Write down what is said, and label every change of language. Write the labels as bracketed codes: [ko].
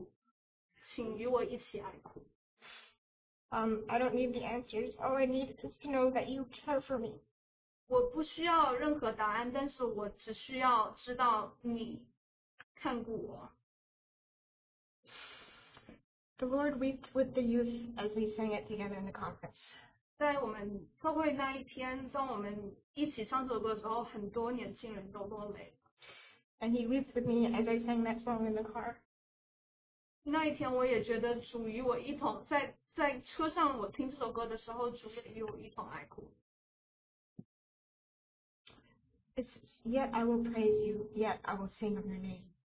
[zh] 其中里面一些歌词是，与我一起哭，主，请与我一起哭。 [en] I don't need the answers. All I need is to know that you care for me. [zh] 我不需要任何答案，但是我只需要知道你看顾我。 [en] The Lord wept with the youth as we sang it together in the conference. [zh] 在我们特会那一天，当我们一起唱这首歌的时候，很多年轻人都落泪。 [en] And he wept with me as I sang that song in the car. [zh] 那一天我也觉得主与我一同，在车上我听这首歌的时候，主也与我一同哀哭。 [en] It's yet I will praise you, yet I will sing of your name.